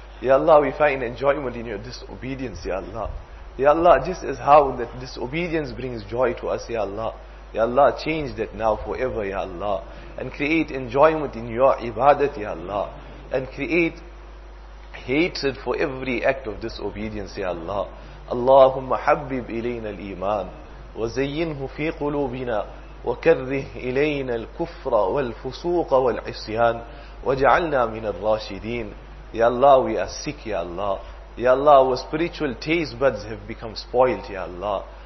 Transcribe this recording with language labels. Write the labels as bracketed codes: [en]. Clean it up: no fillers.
[en] Ya Allah, we find enjoyment in your disobedience, Ya Allah. Ya Allah, this is how that disobedience brings joy to us, Ya Allah. Ya Allah, change that now forever, Ya Allah. And create enjoyment in your ibadat, Ya Allah. And create hatred for every act of disobedience, Ya Allah. [ar] Allahumma habib ilayna al-iman, wa zayyinhu fi qulubina. وكره إلينا الكفر والفسوق والعصيان وجعلنا من الراشدين. [en] يا الله, we are sick, يا الله. يا الله, our spiritual taste buds have become spoiled, يا الله.